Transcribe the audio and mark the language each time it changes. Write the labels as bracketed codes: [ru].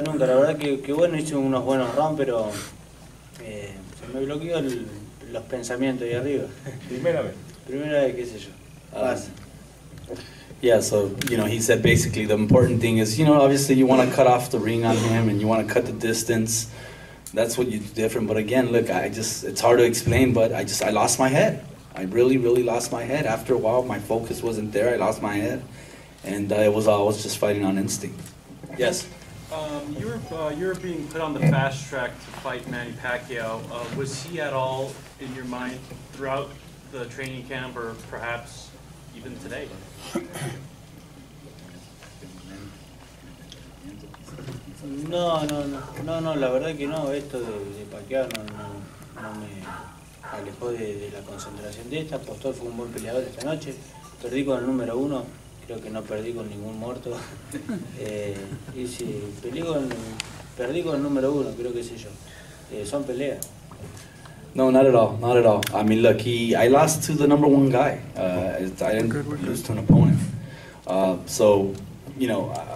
[es] La verdad que bueno, hice unos buenos rounds, pero se me bloqueó los pensamientos ahí arriba. ¿Primera vez, qué sé yo? Pasa. [en] Yeah, so, you know, he said basically the important thing is, you know, obviously you want to cut off the ring on him and you want to cut the distance. That's what you do different. But again, look, it's hard to explain, but I lost my head. I really, really lost my head. After a while, my focus wasn't there. I lost my head. And I was just fighting on instinct. Yes? You're being put on the fast track to fight Manny Pacquiao. Was he at all in your mind throughout the training camp or perhaps even today? [es] No, la verdad que no, esto de Pacquiao no me alejó de la concentración de esta. Postol fue un buen peleador esta noche, perdí con el número uno, creo que no perdí con ningún muerto. Perdí con el número uno, creo que sé yo. Son peleas. [en] No, not at all. I mean, look, I lost to the number one guy. I didn't lose to an opponent. So, you know,